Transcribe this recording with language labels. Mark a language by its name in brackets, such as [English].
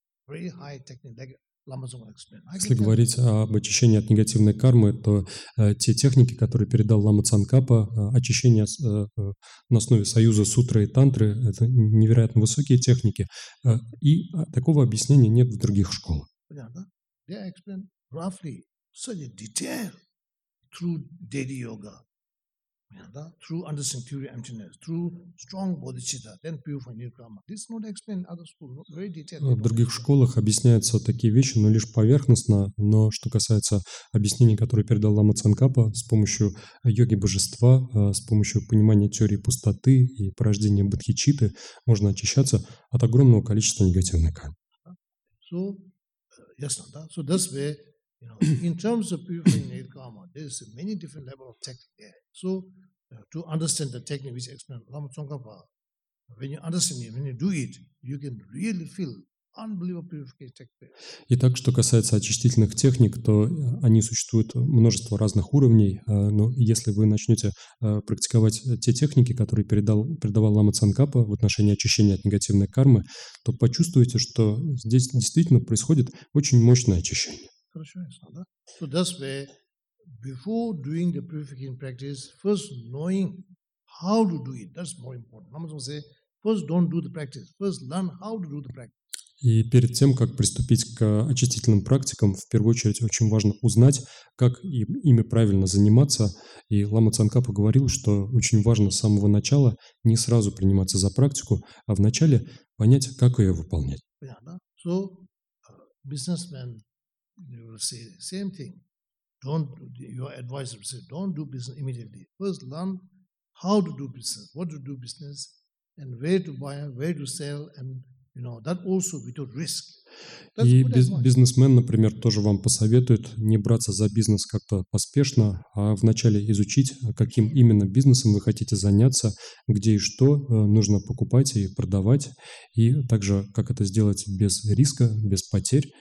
[Russian] Если говорить об очищении от негативной кармы, то те техники, которые передал Лама Цанкапа, очищение на основе союза сутры и тантры, это невероятно высокие техники, и такого объяснения нет в других школах. [English] They explain roughly such a detail through Dedi Yoga, through understanding theory emptiness, through strong bodhicitta, then pure for nirkama. This not explained in other schools, not very detailed. [Russian] В других школах объясняются такие вещи, но лишь поверхностно. Но что касается объяснений, которые передал Лама Цанкапа с помощью йоги божества, с помощью понимания теории пустоты и порождения бодхичитты, можно очищаться от огромного количества негативной кармы. [English] So, yes, [Russian] да. [English] So that's where, you know, in terms of purifying nirkama, there is many different level of technique there. So, to understand the technique which explains Lama Tsongkhapa, when you understand it, when you do it, you can really feel unbelievable purification technique. [Russian] Итак, что касается очистительных техник, то они существуют множество разных уровней, но если вы начнете практиковать те техники, которые передавал Лама Цанкапа в отношении очищения от негативной кармы, то почувствуете, что здесь действительно происходит очень мощное очищение. Хорошо, ясно, да? [English] So that's where, before doing the purification practice, first knowing how to do it, that's more important. Lama Tsongkhapa say, first don't do the practice, first learn how to do the practice. [Russian] И перед тем, как приступить к очистительным практикам, в первую очередь очень важно узнать, как ими правильно заниматься. И Лама Цанкапа говорил, что очень важно с самого начала не сразу приниматься за практику, а вначале понять, как ее выполнять. Понятно. [English] So, businessmen, you will say the same thing. Your advisor will say, don't do business immediately. First learn how to do business, what to do business, and where to buy, where to sell, and you know, that also without risk. [Russian] И бизнесмен, например, тоже вам посоветует не браться за бизнес как-то поспешно, а вначале изучить, каким именно бизнесом вы хотите заняться, где и что нужно покупать и продавать, и также как это сделать без риска, без потерь.